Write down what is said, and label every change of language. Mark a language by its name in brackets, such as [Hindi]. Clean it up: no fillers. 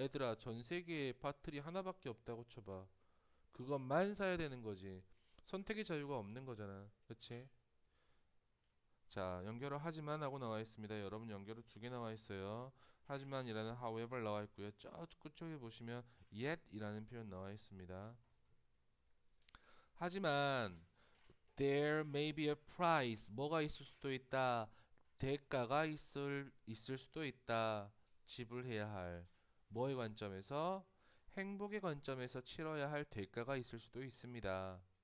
[Korean] 얘들아, 전 세계에 배터리 하나밖에 없다고 쳐봐. 그것만 사야 되는 거지. 선택의 자유가 없는 거잖아. 그렇지? 자, 연결을 하지만 하고 나와 있습니다. 여러분, 연결을 두개 나와 있어요. 하지만이라는 however 나와 있고요. 저쪽에 보시면 yet이라는 표현 나와 있습니다. 하지만 [English] there may be a price. [Korean] 뭐가 있을 수도 있다. 대가가 있을 수도 있다. 지불해야 할 뭐의 관점에서? 행복의 관점에서 치러야 할 대가가 있을 수도 있습니다.